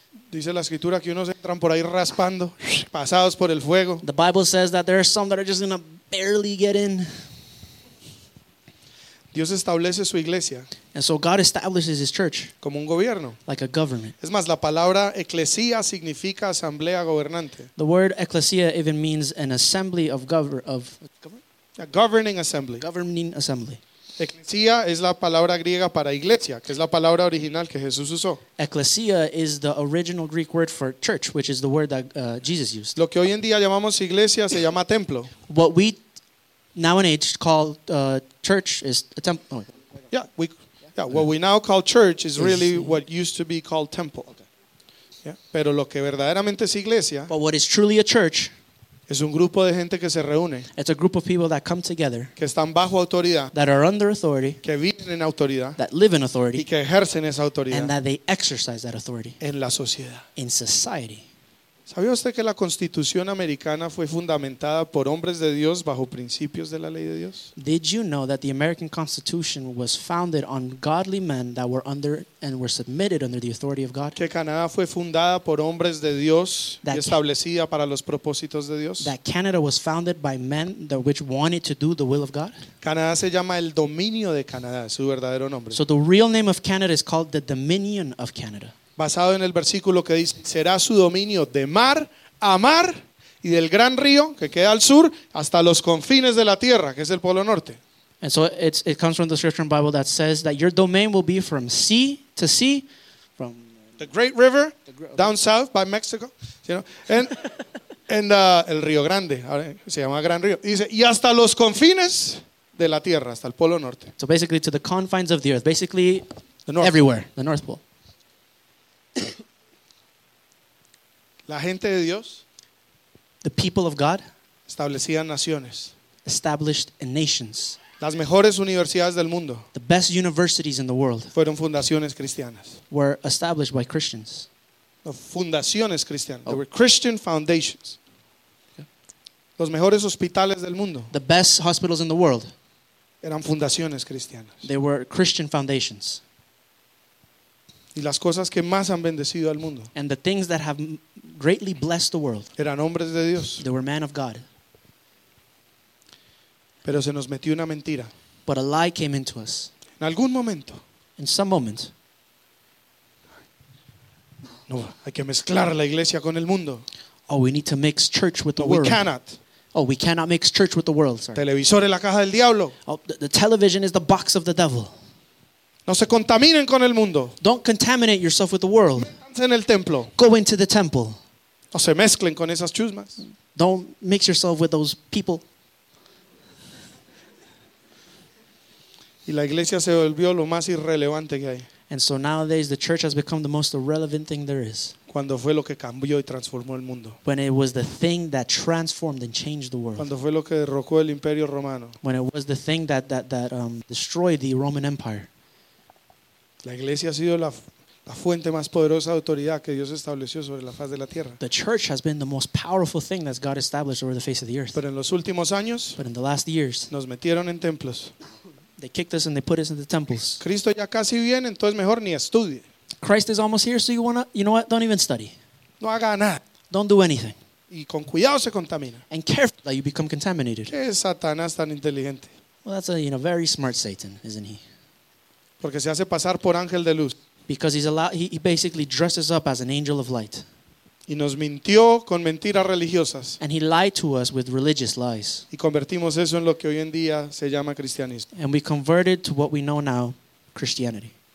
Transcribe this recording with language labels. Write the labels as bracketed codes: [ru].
[es] Dice la escritura que unos entran por ahí raspando, pasados por el fuego. [en] The Bible says that there are some that are just going to barely get in. [es] Dios establece su iglesia. [en] And so God establishes his church. [es] Como un gobierno. [en] Like a government. [es] Es más, la palabra eclesia significa asamblea gobernante. [en] The word ecclesia even means an assembly of a governing assembly. Governing assembly. [es] Eclesia es la palabra griega para iglesia, que es la palabra original que Jesús usó. [en] Ecclesia is the original Greek word for church, which is the word that Jesus used. [es] Lo que hoy en día llamamos iglesia se llama templo. [en] What we now in age called church is a temple. Oh. What we now call church is really what used to be called temple. Okay. Yeah. [es] Pero lo que verdaderamente es iglesia. [en] But what is truly a church. [es] Es un grupo de gente que se reúne. [en] It's a group of people that come together. [es] Que están bajo autoridad. [en] That are under authority. [es] Que viven en autoridad. [en] That live in authority. [es] Y que ejercen esa autoridad. [en] And that they exercise that authority. [es] En la sociedad. [en] In society. [es] ¿Sabía usted que la Constitución Americana fue fundamentada por hombres de Dios bajo principios de la ley de Dios? [en] Did you know that the American Constitution was founded on godly men that were under and were submitted under the authority of God? [es] ¿Que Canadá fue fundada por hombres de Dios y establecida para los propósitos de Dios? [en] That Canada was founded by men that which wanted to do the will of God? [es] Canadá se llama el Dominio de Canadá, su verdadero nombre. [en] So the real name of Canada is called the Dominion of Canada. [es] Basado en el versículo que dice, será su dominio de mar a mar y del gran río que queda al sur hasta los confines de la tierra, que es el Polo Norte. [en] And so it comes from the scripture in the Bible that says that your domain will be from sea to sea, from the great river down south by Mexico, you know, and [es] el río grande, se llama Gran Río. Y dice, y hasta los confines de la tierra, hasta el Polo Norte. [en] So basically to the confines of the earth, basically the north. Everywhere, the North Pole. [es] La gente de Dios, [en] the people of God, [es] establecían naciones, [en] established in nations, [es] las mejores universidades del mundo, [en] the best universities in the world, [es] fueron fundaciones cristianas, [en] were established by Christians, [es] no, fundaciones cristianas, [en] they were Christian foundations, [es] los mejores hospitales del mundo, [en] the best hospitals in the world, [es] eran fundaciones cristianas, [en] they were Christian foundations. [es] Y las cosas que más han bendecido al mundo. [en] And the things that have greatly blessed the world. [es] Eran hombres de Dios. [en] They were men of God. [es] Pero se nos metió una mentira. [en] But a lie came into us. [es] En algún momento. [en] In some moment. [es] No, hay que mezclar la iglesia con el mundo. [en] Oh, we need to mix church with the world. We cannot. Oh, we cannot mix church with the world, sir. [es] Televisor es la caja del diablo. [en] Oh, the television is the box of the devil. [es] No se contaminen con el mundo. [en] Don't contaminate yourself with the world. [es] Métanse en el templo. [en] Go into the temple. [es] No se mezclen con esas chusmas. [en] Don't mix yourself with those people. [es] Y la iglesia se volvió lo más irrelevante que hay. [en] And so nowadays the church has become the most irrelevant thing there is. [es] Cuando fue lo que cambió y transformó el mundo. [en] When it was the thing that transformed and changed the world. [es] Cuando fue lo que derrocó el Imperio Romano. [en] When it was the thing that destroyed the Roman Empire. [es] La iglesia ha sido la fuente más poderosa de autoridad que Dios estableció sobre la faz de la tierra. [en] The church has been the most powerful thing that God established over the face of the earth. [es] Pero en los últimos años, [en] but in the last years, [es] nos metieron en templos. [en] They kicked us and they put us in the temples. [es] Cristo ya casi viene, entonces mejor ni estudie. [en] Christ is almost here, so you know what? Don't even study. [es] No haga nada. [en] Don't do anything. [es] Y con cuidado se contamina. [en] And careful that you become contaminated. [es] ¿Qué es Satanás tan inteligente? [en] Well, that's a very smart Satan, isn't he? [es] Porque se hace pasar por ángel de luz. [en] Because he basically dresses up as an angel of light. [es] Y nos mintió con mentiras religiosas. [en] And he lied to us with religious lies. [es] Y convertimos eso en lo que hoy en día se llama cristianismo. [en] And we converted to what we know now, Christianity.